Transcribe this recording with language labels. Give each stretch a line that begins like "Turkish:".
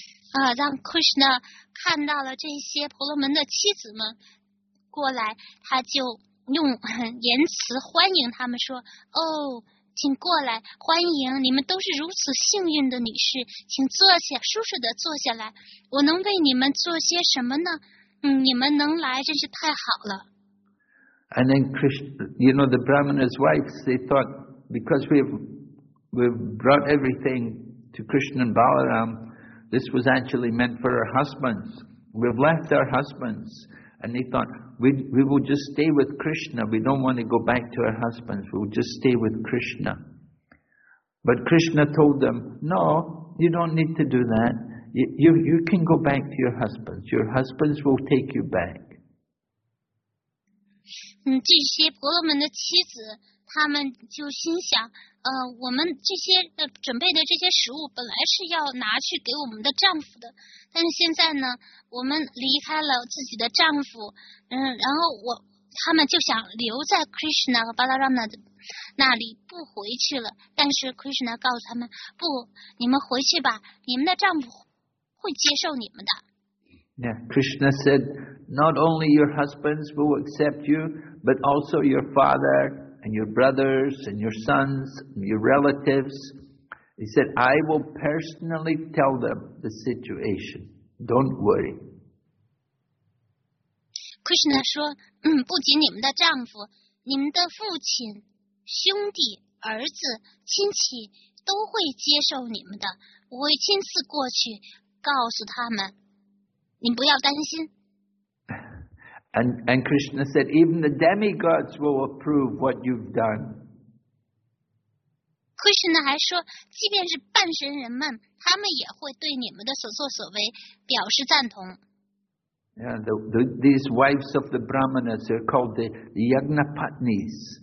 Chinese: 啊，让 Krishna 看到了这些婆罗门的妻子们过来，他就用言辞欢迎他们说，哦，请过来，欢迎，你们都是如此幸运的女士，请坐下，舒适的坐下来，我能为你们做些什么呢？嗯，你们能来真是太好了。
English: And then Krishna, you know, the Brahmana's wives, they thought, because we've brought everything to Krishna and Balaram, this was actually meant for our husbands. We've left our husbands. And they thought,We will just stay with Krishna. We don't want to go back to our husbands. We will just stay with Krishna. But Krishna told them, no, you don't need to do that. You can go back to your husbands. Your husbands will take you back.
Chinese: 这些婆罗门的妻子，他们就心想，我们这些准备的这些食物本来是要拿去给我们的丈夫的，但是现在呢，我们离开了自己的丈夫，然后他们就想留在 Krishna 和 Balarama 的那里不回去了，但是 Krishna 告诉他们，不，你们回去吧，你们的丈夫会接受你们的。
English: Yeah, Krishna said, not only your husbands will accept you, but also your father and your brothers and your sons and your relatives. He said, I will personally tell them the situation. Don't worry.
Chinese: Krishna 说，不仅你们的丈夫，你们的父亲、兄弟、儿子、亲戚都会接受你们的，我会亲自过去告诉他们，你不要担心。
English: And Krishna said, even the demigods will approve what you've done.
Chinese: Krishna 还说，即便是半神人们，他们也会对你们的所作所为表示赞同。
English: Yeah, these wives of the Brahmanas are called the Yajnapatnis.